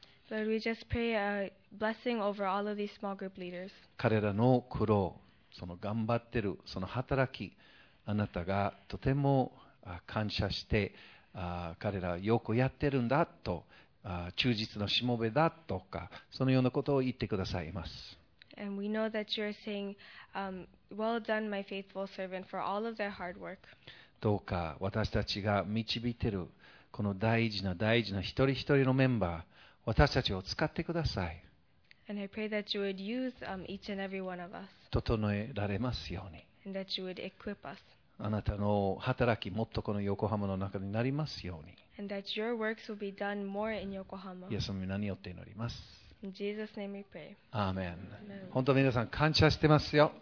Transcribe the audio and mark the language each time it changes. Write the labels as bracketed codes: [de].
[en] Lord, we just pray a blessing over all of these small group leaders. [ja] 彼らの苦労、その頑張ってるその働き、あなたがとても感謝して彼らよくやってるんだと、忠実のしもべだとか、そのようなことを言ってくださいます。 [en] And we know that you're saying, well done, my faithful servant, for all of their hard work. [ja] どうか私たちが導いているこの大事な大事な一人一人のメンバー、私たちを使ってください。 [en] And I pray that you would use, each and every one of us. [ja] 整えられますように。 [en] And that you would equip us. [ja] あなたの働きもっとこの横浜の中になりますように。 [en] And that your works will be done more in Yokohama. [ja] イエス様によって祈ります。 [en] In Jesus' name we pray. [ja] アーメン。本当皆さん感謝してますよ。